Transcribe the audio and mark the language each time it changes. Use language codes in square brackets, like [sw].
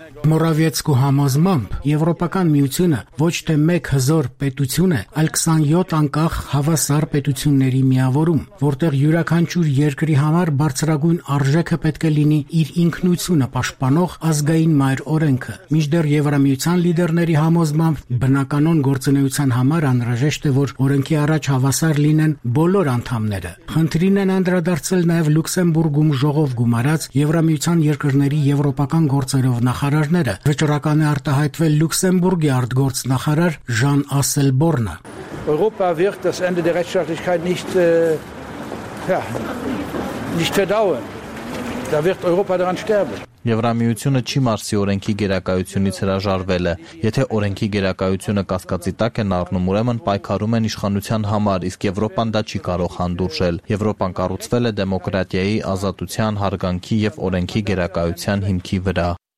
[hy] Մորավիեցկու համոզմամբ Եվրոպական միությունը ոչ թե մեկ հզոր պետություն է, այլ 27 անկախ հավասար պետությունների միավորում, որտեղ յուրաքանչյուր երկրի համար բարձրագույն արժեքը պետք է լինի իր ինքնությունը պաշտպանող ազգային մայր օրենքը։ Մինչդեռ Եվրամիության լիդերների համոզմամբ բնականոն գործունեության համար անհրաժեշտ է, որ օրենքի առաջ հավասար լինեն բոլոր անդամները։ Խնդրին են անդրադարձել նաև Լյուքսեմբուրգում ժողով գումարած Եվրամիության երկրների եվրոպական գործերով նախարարները։ Վճռական է արտահայտվել Լյուքսեմբուրգի արտգործ նախարար Ժան Ասելբորնը։ [de] Europa wird das Ende der Rechtsstaatlichkeit nicht nicht verdauen. Da wird Europa daran sterben. [hy] Եվրամիությունը չի մարսի օրենքի գերակայությունից հրաժարվելը։ Եթե օրենքի գերակայությունը կասկածի տակ են առնում, ուրեմն պայքարում են իշխանության համար, իսկ Եվրոպան դա չի կարող հանդուրժել։ Եվրոպան կառուցվել է դեմոկրատիայի, ազատության, հարգանքի և օրենքի գերակայության հիմքի վրա։